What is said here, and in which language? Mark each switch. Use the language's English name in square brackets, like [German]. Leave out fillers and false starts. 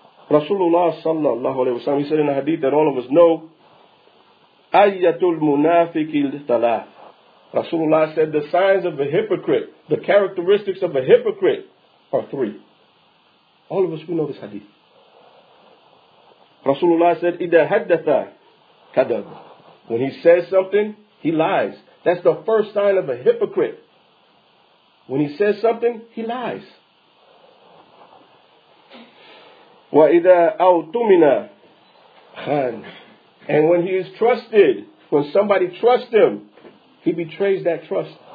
[English] Rasulullah sallallahu alayhi wa sallam, he said in a hadith that all of us know, [Arabic] Ayyatul munafiqil talaf. [English] Rasulullah said the signs of a hypocrite, the characteristics of a hypocrite are three. All of us, we know this hadith. [Arabic] Rasulullah said, إِذَا حَدَّثَ كَدَبُ. [English] When he says something, he lies. That's the first sign of a hypocrite. When he says something, he lies. [Arabic] وَإِذَا أَوْتُمِنَ خَانْ. [English] And when he is trusted, when somebody trusts him, he betrays that trust.